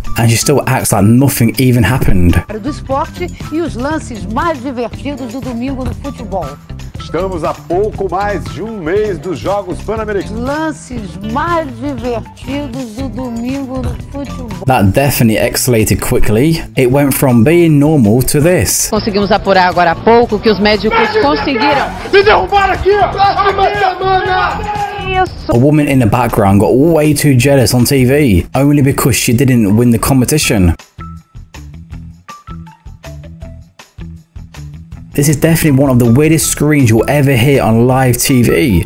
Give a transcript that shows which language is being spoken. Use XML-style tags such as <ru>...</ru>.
<en>And she still acts like nothing even happened.</en> <pt>Do esporte e os lances mais divertidos do domingo no futebol. Estamos a pouco mais de um mês dos Jogos Pan-Americanos. Lances mais divertidos do domingo no futebol.</pt> <en>That definitely escalated quickly. It went from being normal to this.</en> <pt>Conseguimos apurar agora há pouco que os médicos conseguiram. Me derrubaram aqui! Próxima semana!</pt> <en>A woman in the background got way too jealous on TV, only because she didn't win the competition. This is definitely one of the weirdest screens you'll ever hear on live TV.</en>